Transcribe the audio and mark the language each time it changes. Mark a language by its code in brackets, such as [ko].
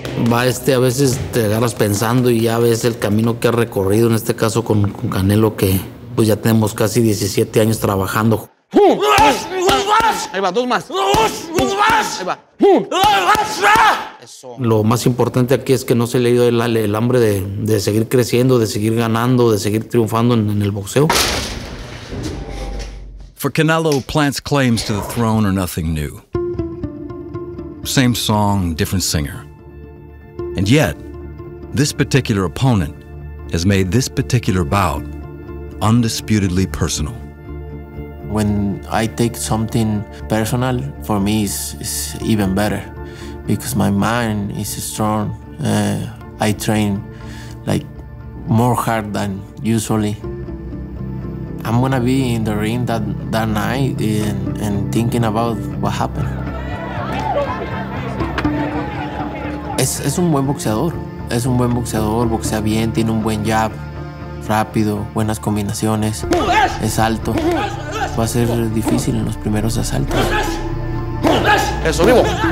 [es] Va a veces te agarras pensando y ya ves el camino que ha recorrido, en este caso con Canelo, que pues ya tenemos casi 17 años trabajando. Ahí va, dos más. Ahí va. Eso. Lo más importante aquí es que no se le ha ido el hambre de seguir creciendo, de seguir ganando, de seguir triunfando en el boxeo. [en] For Canelo, Plant's claims to the throne are nothing new. Same song, different singer. And yet, this particular opponent has made this particular bout undisputedly personal. When I take something personal, for me it's even better because my mind is strong. I train like more hard than usually. I'm gonna be in the ring that night and thinking about what happened. [es] Es un buen boxeador. Es un buen boxeador, boxea bien, tiene un buen jab, rápido, buenas combinaciones. Es alto. Va a ser difícil en los primeros asaltos. Eso, vivo.